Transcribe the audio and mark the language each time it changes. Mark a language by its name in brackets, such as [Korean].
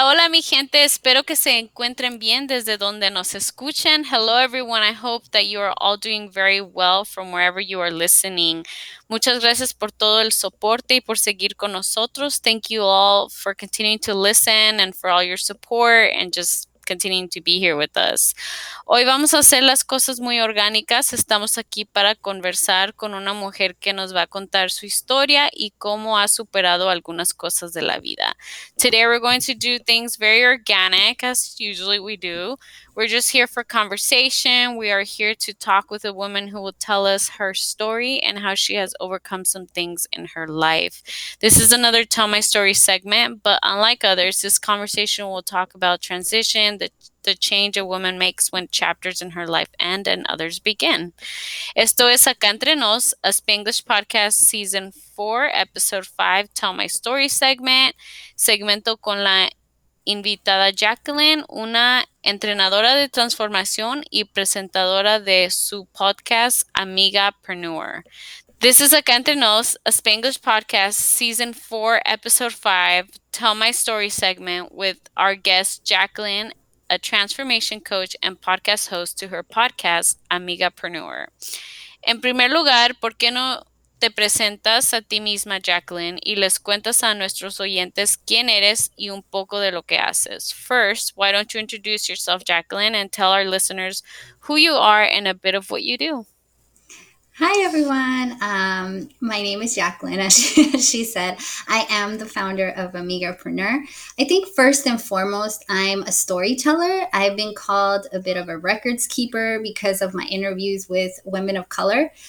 [Spanish] mi gente, espero que se encuentren bien desde donde nos escuchen. [English] Hello everyone, I hope that you are all doing very well from wherever you are listening. [Spanish] Muchas gracias por todo el soporte y por seguir con nosotros. [English] Thank you all for continuing to listen and for all your support and just continuing to be here with us. [Spanish] Hoy vamos a hacer las cosas muy orgánicas. Estamos aquí para conversar con una mujer que nos va a contar su historia y cómo ha superado algunas cosas de la vida. [English] Today we're going to do things very organic, as usually we do. We're just here for conversation. We are here to talk with a woman who will tell us her story and how she has overcome some things in her life. This is another Tell My Story segment, but unlike others, this conversation will talk about transition, the change a woman makes when chapters in her life end and others begin. [Spanish] Esto es [English] Acá Entre Nos, a Spanglish podcast, season 4, episode 5, Tell My Story segment. [Spanish] Segmento con la invitada Jacqueline, una entrenadora de transformación y presentadora de su podcast, Amigapreneur. [English] This is Acá Entre Nos, a Spanglish podcast, season 4, episode 5, Tell My Story segment with our guest, Jacqueline, a transformation coach and podcast host to her podcast, Amigapreneur. [Spanish] En primer lugar, ¿por qué no te presentas a ti misma, Jacqueline, y les cuentas a nuestros oyentes quién eres y un poco de lo que haces? [English] First, why don't you introduce yourself, Jacqueline, and tell our listeners who you are and a bit of what you do? Hi, everyone. My name is Jacqueline, as she said. I am the founder of Amigapreneur. I think first and foremost, I'm a storyteller. I've been called a bit of a records keeper because of my interviews with women of color.